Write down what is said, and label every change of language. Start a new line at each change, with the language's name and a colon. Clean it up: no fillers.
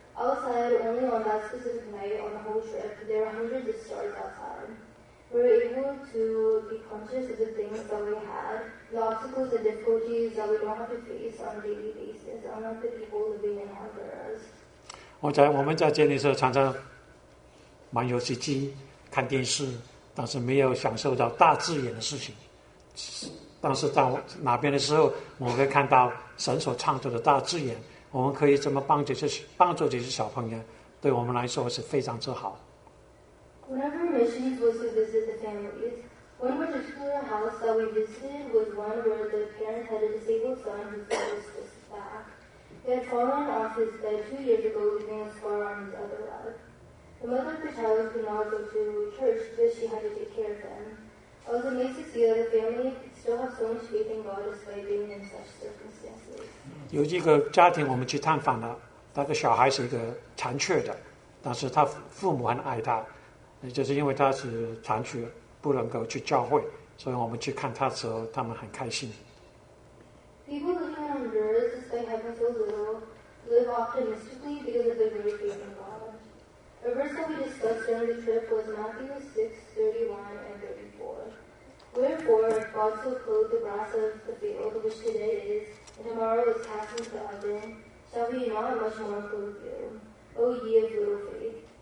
English: Outside, only on that specific night on the whole trip, there were hundreds of stars outside. We're able to be conscious of the things that we had, the obstacles and difficulties that we don't have to face on a daily basis, unlike the people living in Honduras.
Chinese: 我们在这里时候常常玩游戏机、看电视，但是没有享受到大自然的事情。但是到哪边的时候，我们会看到神所创造的大自然，我们可以怎么帮助这些小朋友，对我们来说是非常之好。
English: Whenever missions was to visit the families, one particular house that we visited was one where the parents had a disabled son who was just back. He had fallen off his bed 2 years ago, leaving a scar on his other leg. The mother of the child could not go to church because she had to take care of him. I was amazed to see that the family still have so much faith in God despite being in such circumstances.
Chinese: 有一个家庭我们去探访了，那个小孩是一个残缺的，但是他父母很爱他。就是因为他是残缺，不能够去教会，所以我们去看他的时候，他们很开心。
English: People living in Honduras, despite having so little, live optimistically because of their very faith in God. A verse that we discussed during the trip was Matthew 6:31-34. Wherefore, if God so clothed the grass of the field, which today is, and tomorrow is cast into the oven, shall He not much more clothe you, O ye of little faith?